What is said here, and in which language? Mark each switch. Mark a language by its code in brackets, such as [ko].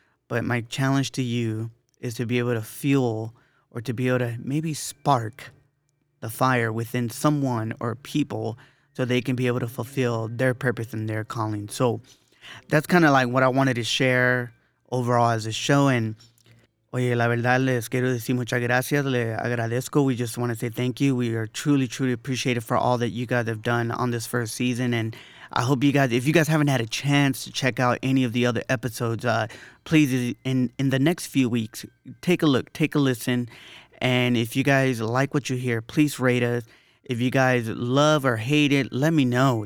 [en] But my challenge to you is to be able to fuel or to be able to maybe spark the fire within someone or people so they can be able to fulfill their purpose and their calling. So that's kind of like what I wanted to share overall as a show. [es] And oye, la verdad, les quiero decir muchas gracias, le agradezco. [en] We just want to say thank you. We are truly, truly appreciated for all that you guys have done on this first season. And I hope you guys, if you guys haven't had a chance to check out any of the other episodes, please, in the next few weeks, take a look, take a listen. And if you guys like what you hear, please rate us. If you guys love or hate it, let me know.